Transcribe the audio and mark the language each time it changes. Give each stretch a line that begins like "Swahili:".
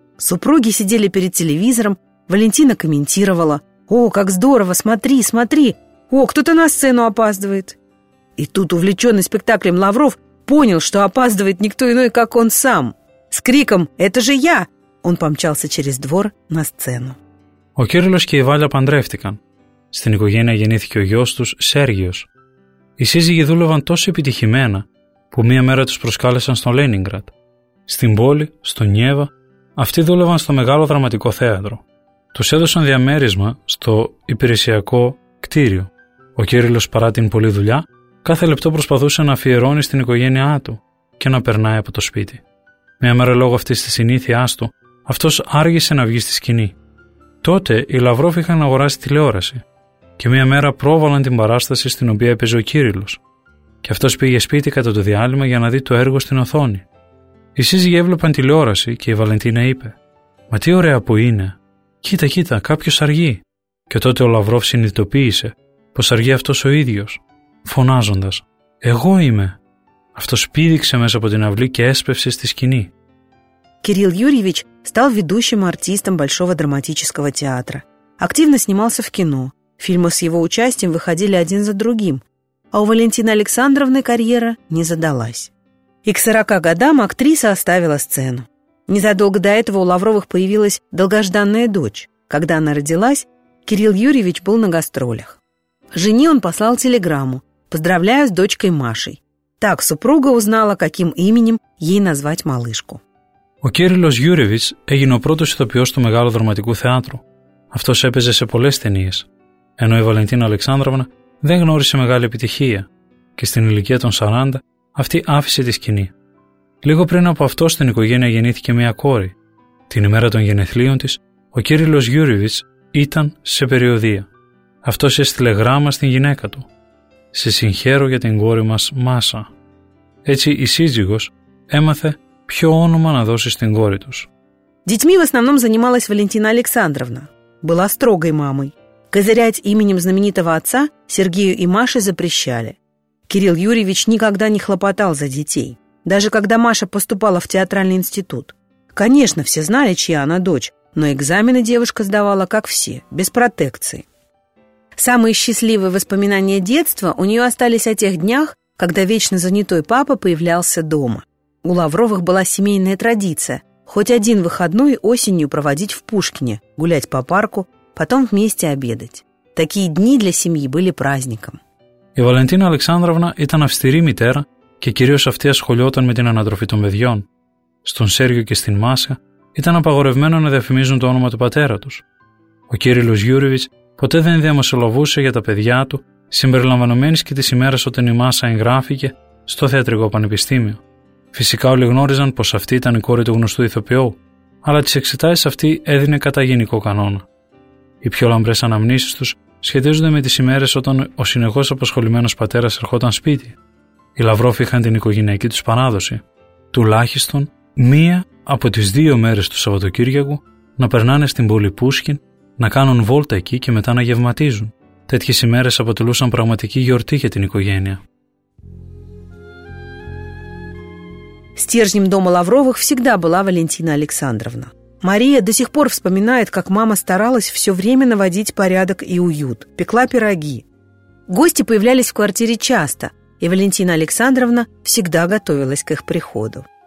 Russian: Супруги сидели перед телевизором, Валентина комментировала: «О, как здорово, смотри, смотри! О, кто-то на сцену опаздывает!» И тут увлеченный спектаклем Лавров понял, что опаздывает никто иной, как он сам. С криком «Это же я!» он помчался через двор на сцену.
Greek: Ο Κύριλλος και η Βάλια παντρεύτηκαν. Στην οικογένεια γεννήθηκε ο γιος τους, Σέργιος. Οι σύζυγοι δούλευαν τόσο επιτυχημένα που μία μέρα τους προσκάλεσαν στο Λένιγκρατ. Στην πόλη, στο Νιέβα, αυτοί δούλευαν στο μεγάλο δραματικό θέατρο. Τους έδωσαν διαμέρισμα στο υπηρεσιακό κτίριο. Ο Κύριλλος, παρά την πολλή δουλειά, κάθε λεπτό προσπαθούσε να αφιερώνει στην οικογένειά του και να περνάει από το σπίτι. Μία μέρα, λόγω αυτής της συνήθειάς του, αυτός άργησε να βγει στη σκηνή. Τότε οι Λαυρόφ είχαν αγοράσει τηλεόραση και μία μέρα πρόβαλαν την παράσταση στην οποία έπαιζε ο Κύριλλος. Και αυτός πήγε σπίτι κατά το διάλειμμα για να δει το έργο στην οθόνη. Οι σύζυγοι έβλεπαν τηλεόραση και η Βαλεντίνα είπε: «Μα τι ωραία που είναι! Κοίτα, κοίτα, κάποιος αργεί!» Και τότε ο Λαυρόφ συνειδητοποίησε πως αργεί αυτός ο ίδιος, φωνάζοντας: «Εγώ είμαι!» Αυτός πήδηξε μέσα από την αυλή και έσπευσε στη σκηνή.
Russian: Кирилл Юрьевич стал ведущим артистом Большого драматического театра. Активно снимался в кино. Фильмы с его участием выходили один за другим. А у Валентины Александровны карьера не задалась. И к 40 годам актриса оставила сцену. Незадолго до этого у Лавровых появилась долгожданная дочь. Когда она родилась, Кирилл Юрьевич был на гастролях. Жене он послал телеграмму: «Поздравляю с дочкой Машей». Так супруга узнала, каким именем ей назвать малышку.
Greek: Ο Κύριλλος Γιούρεβιτς έγινε ο πρώτος ηθοποιός του Μεγάλου Δραματικού Θεάτρου. Αυτός έπαιζε σε πολλές ταινίες, ενώ η Βαλεντίνα Αλεξάνδροβνα δεν γνώρισε μεγάλη επιτυχία και στην ηλικία των 40 αυτή άφησε τη σκηνή. Λίγο πριν από αυτό στην οικογένεια γεννήθηκε μια κόρη. Την ημέρα των γενεθλίων της, ο Κύριλλος Γιούρεβιτς ήταν σε περιοδία. Αυτός έστειλε γράμμα στην γυναίκα του: «Σε συγχαίρω για την κόρη μας Μάσα». Έτσι η σύζυγος έμαθε ποιο όνομα να δώσει στην κόρη τους.
Russian: Детьми в основном занималась Валентина Александровна. Была строгой мамой. Козырять именем знаменитого отца Сергею и Маше запрещали. Кирилл Юрьевич никогда не хлопотал за детей. Даже когда Маша поступала в театральный институт. Конечно, все знали, чья она дочь, но экзамены девушка сдавала, как все, без протекции. Самые счастливые воспоминания детства у нее остались о тех днях, когда вечно занятой папа появлялся дома. У Лавровых была семейная традиция – хоть один выходной осенью проводить в Пушкине, гулять по парку, потом вместе обедать. Такие дни для семьи были праздником.
Greek: Η Βαλεντίνα Αλεξάνδροβνα ήταν αυστηρή μητέρα και κυρίως αυτή ασχολιόταν με την ανατροφή των παιδιών. στον Σέργιο και στην Μάσκα, ήταν απαγορευμένο να διαφημίζουν το όνομα του πατέρα τους. Ο Κύριλλος Γιούριβιτς ποτέ δεν διαμεσολαβούσε για τα παιδιά του, συμπεριλαμβανομένης και της ημέρας όταν η Μάσα εγγράφηκε στο Θεατρικό Πανεπιστήμιο. Φυσικά όλοι γνώριζαν πως αυτή ήταν η κόρη του γνωστού ηθοποιού, αλλά τις εξετάσεις αυτή έδινε κατά γενικό κανόνα. Οι πιο λαμπρές αναμνήσεις τους σχετίζονται με τις ημέρες όταν ο συνεχώς απασχολημένος πατέρας ερχόταν σπίτι. Οι Λαυρόφοι είχαν την οικογενειακή τους παράδοση, τουλάχιστον μία από τις δύο μέρες του Σαββατοκύριακου να περνάνε στην πόλη Πούσκιν, να κάνουν βόλτα εκεί και μετά να γευματίζουν. Τέτοιες ημέρες αποτελούσαν πραγματική γιορτή για την οικογένεια.
Russian: Стержнем дома Лавровых всегда была Валентина Александровна. Мария до сих пор вспоминает, как мама старалась все время наводить порядок и уют, пекла пироги. Гости появлялись в квартире часто, и Валентина Александровна всегда готовилась к их приходу.